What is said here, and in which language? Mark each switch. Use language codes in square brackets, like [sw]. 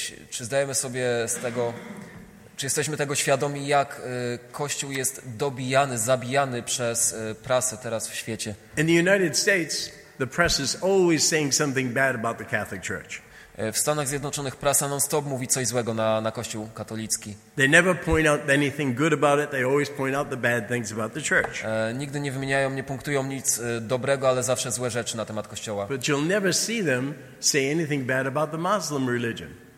[pl] Czy zdajemy sobie z tego? Czy jesteśmy tego świadomi, jak Kościół jest dobijany, zabijany przez prasę teraz w świecie? [en] In the United States, the press is always saying something bad about the Catholic Church. [pl] W Stanach Zjednoczonych prasa non-stop mówi coś złego na Kościół katolicki. [en] They never point out anything good about it. They always point out the bad things about the church. [pl] Nigdy nie wymieniają, nie punktują nic dobrego, ale zawsze złe rzeczy na temat Kościoła. [en] But you'll never see them say anything bad about the Muslim religion.